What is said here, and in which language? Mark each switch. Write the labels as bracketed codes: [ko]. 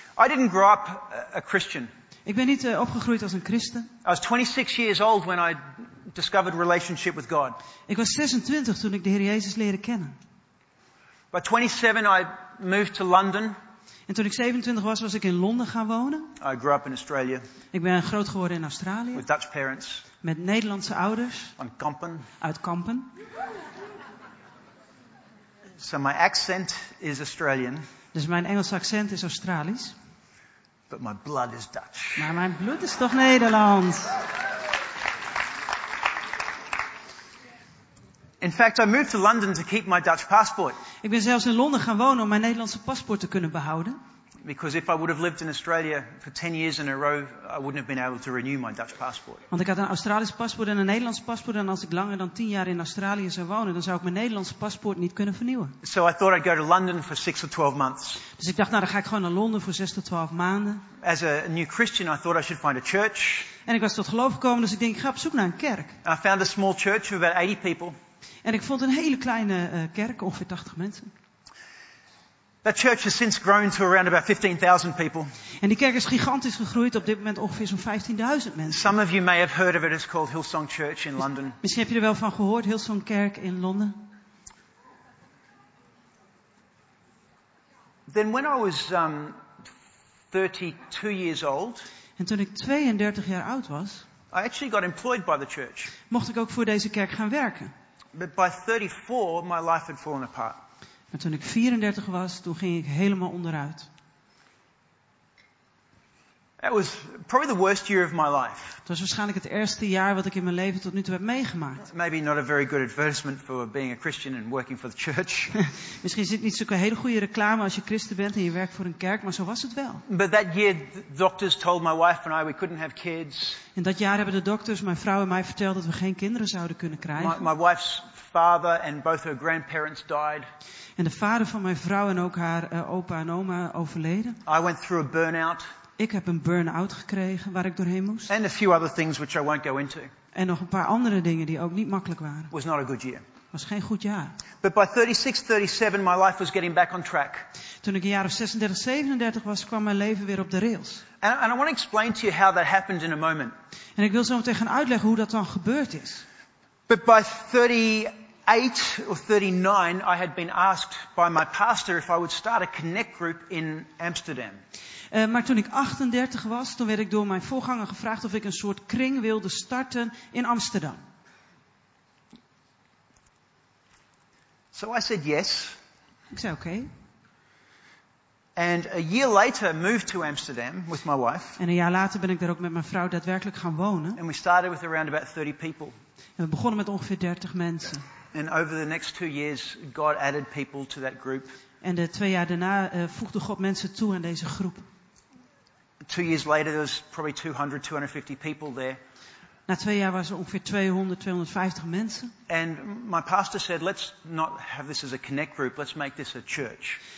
[en] I didn't grow up a Christian. [nl] Ik ben niet opgegroeid als een christen. [en] I was 26 years old when I discovered relationship with God. [nl] Ik was 26 toen ik de Heer Jezus leerde kennen. [en] By 27 I moved to London. [nl] En toen ik 27 was, was ik in Londen gaan wonen. [en] I grew up in Australia. [nl] Ik ben groot geworden in Australië. [en] With Dutch parents. [nl] Met Nederlandse ouders. [en] On Kampen. [nl] Uit Kampen. [en] So my accent is Australian. [nl] Dus mijn Engelse accent is Australisch. [en] But my blood is Dutch. [nl] Maar mijn bloed is toch Nederlands. [en] In fact, I moved to London to keep my Dutch passport. [nl] Ik ben zelfs in Londen gaan wonen om mijn Nederlandse paspoort te kunnen behouden. [en] Because if I would have lived in Australia for 10 years in a row, I wouldn't have been able to renew my Dutch passport. [nl] Want ik had een Australisch paspoort en een Nederlands paspoort, en als ik langer dan 10 jaar in Australië zou wonen, dan zou ik mijn Nederlands paspoort niet kunnen vernieuwen. [en] So I thought I'd go to London for 6 or 12 months. [nl] Dus ik dacht, nou, dan ga ik gewoon naar Londen voor 6 tot 12 maanden. [en] As a new Christian, I thought I should find a church. [nl] En ik was tot geloof gekomen, dus ik denk, ik ga op zoek naar een kerk. [en] I found a small church of about 80 people. [nl] En ik vond een hele kleine kerk, ongeveer 80 mensen. [en] That church has since grown to around about 15,000 people. [nl] En die kerk is gigantisch gegroeid, op dit moment ongeveer zo'n 15.000 mensen. [en] Some of you may have heard of it, it's called Hillsong Church in London. [nl] Misschien heb je er wel van gehoord, Hillsong Kerk in Londen. [en] Then when I was 32 years old. [nl] En toen ik 32 jaar oud was. [en] I actually got employed by the church. [nl] Mocht ik ook voor deze kerk gaan werken. [en] But by 34 my life had fallen apart. [nl] En toen ik 34 was, toen ging ik helemaal onderuit. [en] It was probably the worst year of my life. [nl] Het was waarschijnlijk het ergste jaar wat ik in mijn leven tot nu toe heb meegemaakt. [en] Maybe not a very good advertisement for being a Christian and working for the church. [nl] Misschien zit niet zo'n hele goede reclame als je christen bent en je werkt voor een kerk, maar zo was het wel. [en] But that year, the doctors told my wife and I we couldn't have kids. [nl] In dat jaar hebben de dokters mijn vrouw en mij verteld dat we geen kinderen zouden kunnen krijgen. [en] My wife's father and both her grandparents died. [nl] En de vader van mijn vrouw en ook haar opa en oma overleden. [en] I went through a burnout. [nl] Ik heb een burn-out gekregen waar ik doorheen moest. [en] And a few other things which I won't go into. [nl] En nog een paar andere dingen die ook niet makkelijk waren. [en] Was not a good year. [nl] Was geen goed jaar. [en] But by 36, 37, my life was getting back on track. [nl] Toen ik een jaar of 36, 37 was, kwam mijn leven weer op de rails. [en] And I want to explain to you how that happened in a moment. [nl] En ik wil zo meteen gaan uitleggen hoe dat dan gebeurd is. [en] But by 38 or 39, I had been asked by my pastor if I would start a connect group in Amsterdam. [nl] Maar toen ik 38 was, toen werd ik door mijn voorganger gevraagd of ik een soort kring wilde starten in Amsterdam. [en] So I said yes. [nl] Ik zei oké. [en] And a year later moved to Amsterdam with my wife. [nl] En een jaar later ben ik daar ook met mijn vrouw daadwerkelijk gaan wonen. [en] And we started with around about 30 people. [nl] En we begonnen met ongeveer 30 mensen. [en] And over the next 2 years God added people to that group. [nl] En de 2 jaar daarna voegde God mensen toe aan deze groep. [en] 2 years later there was probably 200, 250 people there. [nl] Na 2 jaar was er ongeveer 200, 250 mensen. [en] And my pastor said, let's not have this as a connect group, let's make this a church.